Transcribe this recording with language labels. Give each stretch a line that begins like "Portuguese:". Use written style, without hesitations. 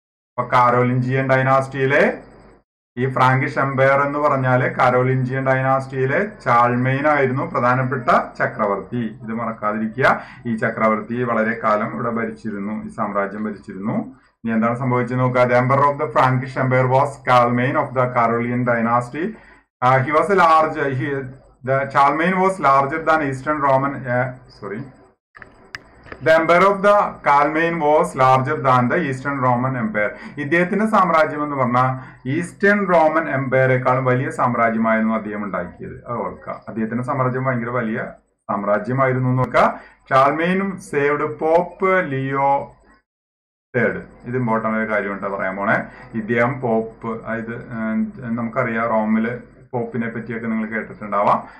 Malayalam: അപ്പൊ കരോലിഞ്ചിയൻ ഡൈനാസ്റ്റിയിലെ ഈ Frankish Empire എന്ന് പറഞ്ഞാല് കരോലിഞ്ചിയൻ ഡൈനാസ്റ്റിയിലെ ചാൾമെയ്ൻ ആയിരുന്നു പ്രധാനപ്പെട്ട ചക്രവർത്തി. ഇത് മറക്കാതിരിക്കുക. ഈ ചക്രവർത്തി വളരെ കാലം ഇവിടെ ഭരിച്ചിരുന്നു, ഈ സാമ്രാജ്യം ഭരിച്ചിരുന്നു. ഇനി എന്താണ് സംഭവിച്ചത് നോക്കുക.
English: The Empire of the Frankish Empire was കാൾമെയ്ൻ of the കരോലിയൻ dynasty. He was A large Charlemagne was larger than eastern Roman sorry The empire of the Calmain was larger than the Eastern Roman Empire.
Malayalam: ഇദ്ദേഹത്തിന്റെ സാമ്രാജ്യം എന്ന് പറഞ്ഞാൽ eastern Roman എംപയറേക്കാളും വലിയ സാമ്രാജ്യമായിരുന്നു അദ്ദേഹം ഉണ്ടാക്കിയത്. അത് ഓർക്കുക, അദ്ദേഹത്തിന്റെ സാമ്രാജ്യം ഭയങ്കര വലിയ സാമ്രാജ്യമായിരുന്നു എന്ന് ഓർക്കുക.
English: ചാൾമെയ്നും saved Pope Leo third.
Malayalam: ഇത് ഇമ്പോർട്ടൻ്റ് ആയ കാര്യം ഉണ്ട് പറയാൻ പോണേ. ഇദ്ദേഹം പോപ്പ്, അതായത് നമുക്കറിയാം റോമില് പോപ്പിനെ പറ്റിയൊക്കെ നിങ്ങൾ കേട്ടിട്ടുണ്ടാവാം.